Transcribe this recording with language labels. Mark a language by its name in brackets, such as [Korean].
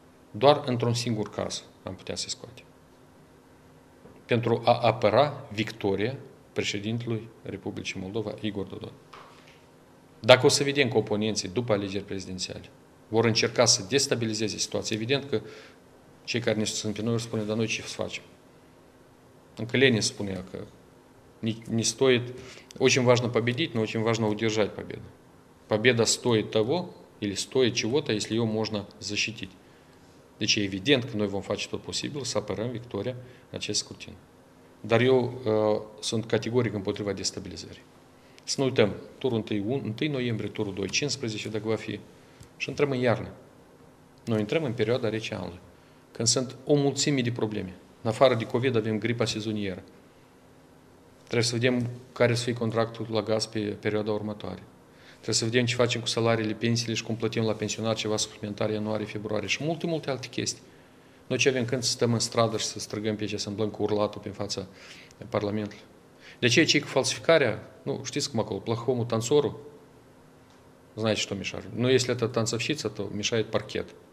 [Romanian] Doar într-un singur caz am putea să-i scoate. Pentru a apăra victoria președintelui Republicii Moldova, Igor Dodon. Dacă o să vedem că oponenții, după alegeri prezidențiale, vor încerca să destabilizeze situația, evident că cei care ne sunt pe noi vor spune, dar noi ce să facem? Încă Lenin spunea că [Russian] не стоит, очень важно победить, но очень важно удержать победу. Победа стоит того или стоит чего-то, если ее можно защитить. [Romanian] Deci, evident că noi vom face tot posibil să apărăm victoria în acest scrutin. Dar eu sunt categoric împotriva destabilizării. Să nu uităm, turul 1 noiembrie, turul 2, 15, dacă va fi, și intrăm în iarnă. Noi intrăm în perioada rece anului, când sunt o mulțime de probleme. În afară de COVID avem gripa sezonieră. Trebuie să vedem care să fie contractul la gaz pe perioada următoare. Trebuie să vedem ce facem cu salariile, pensiile și cum plătim la pensionar ceva suplimentar ianuarie, februarie și multe, multe alte chestii. Noi ce avem când să stăm în stradă și să strigăm pe aceea, să îmblăm cu urlatul prin fața Parlamentului? De ce cei cu falsificarea? Nu, știți cum acolo, plăhomul, tanțorul? [Russian] Знаете, что мешает? Ну, если это танцовщица, то мешает паркет.